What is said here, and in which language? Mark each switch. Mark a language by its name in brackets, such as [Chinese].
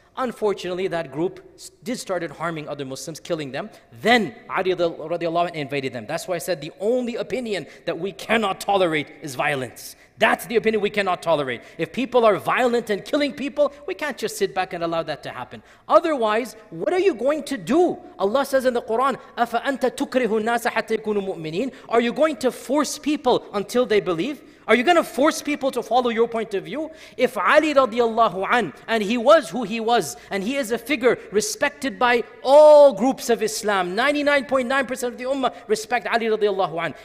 [English] Unfortunately, that group did start harming other Muslims, killing them. Then Ali radiallahu anh invaded them. That's why I said the only opinion that we cannot tolerate is violence. That's the opinion we cannot tolerate. If people are violent and killing people, we can't just sit back and allow that to happen. Otherwise, what are you going to do? Allah says in the Quran, [Arabic] أَفَأَنْتَ تُكْرِهُ النَّاسَ حَتَّى يَكُونُوا مُؤْمِنِينَ. [English] Are you going to force people until they believe? Are you going to force people to follow your point of view? If Ali radiallahu anh, and he was who he was, and he is a figure respected by all groups of Islam, 99.9% of the ummah respect Ali radiallahu anh.